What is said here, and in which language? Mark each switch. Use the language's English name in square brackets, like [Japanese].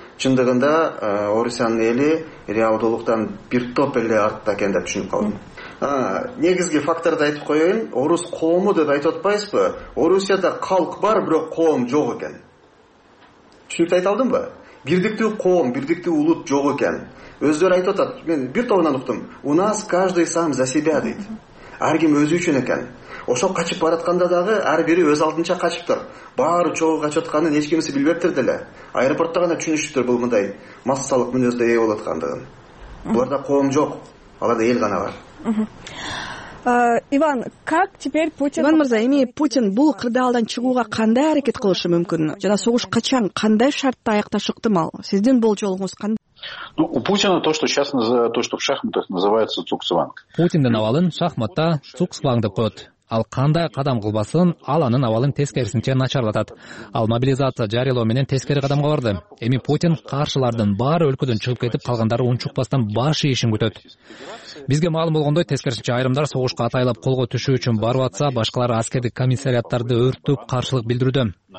[Kyrgyz] Чындыгында Орусиянын эли реалдуулуктан бир топ эле артта экен деп түшүнүп калдым. Негизги факторду айтып коеюн, орус коому деп айтып атпайсызбы? Орусияда калк бар, бирок коом жок экен. Түшүнүктү айта алдымбы? Бирдиктүү коом, бирдиктүү улут жок экен. Өздөрү айтып атат, мен бир тобунан уктум. [Russian] У нас каждый сам за себя [Kyrgyz] дейт. Ар ким өзү үчүн экен. Ошо качып баратканда дагы ар бири өз алдынча качыптыр. Баары чогуу качып атканын эч кимиси билбептир деле. Аэропортто гана түшүнүштүр бул мындай массалык мүнөздө ээ болуп аткандыгын. Буларда коом жок, аларда эл гана бар. [Russian] Иван, как теперь Путин... [Kyrgyz] Иван мырза, эми Путин бул кырдаалдан чыгууга кандай аракет кылышы мүмкүн? Жана согуш качан, кандай шартта аякташы ыктымал? Сиздин болжолуңуз кандай? [Russian] Ну, у Путина то, что сейчас называют, то, что в шахматах называется цугцванг. [Kyrgyz] Путиндин абалын шахматта цугцванг деп коет. Ал кандай кадам кылбасын, ал анын абалын тескерисинче начарлатат. Ал мобилизация жарыялоо менен тескери кадамга барды. Эми Путин каршылардын баары өлкөдөн чыгып кетип калгандары унчукпастан баш ийишин күтөт. Бизге маалым болгондой, тескерисинче айрымдар согушка атайлап колго түшүү үчүн барып атса, башкалары аскердик комиссариаттарды өрттүп каршылык билдирүүдө.